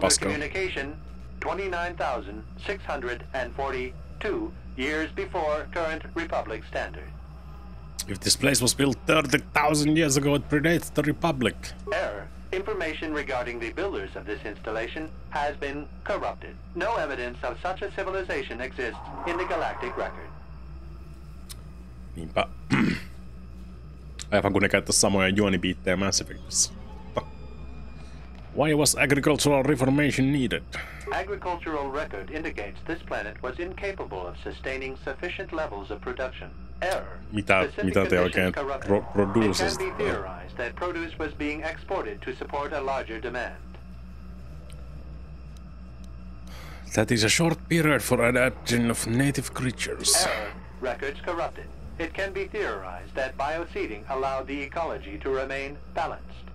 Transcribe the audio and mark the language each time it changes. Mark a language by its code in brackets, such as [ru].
[en] Last builder communication 29,642 years before current Republic standard. If this place was built 30,000 years ago, it predates the Republic. Error. Information regarding the builders of this installation has been corrupted. No evidence of such a civilization exists in the galactic record. [fi] Niinpä. Aivan kun ne käyttäisi samoja juonibiittejä Mass Effectissä. [en] Why was agricultural reformation needed? Agricultural record indicates this planet was incapable of sustaining sufficient levels of production. Error. [fi] Mitä te oikein produces? [en] It can be theorized that produce was being exported to support a larger demand. That is a short period for adaptation of native creatures. Error. Records corrupted. It can be theorized that bioseeding allowed the ecology to remain balanced.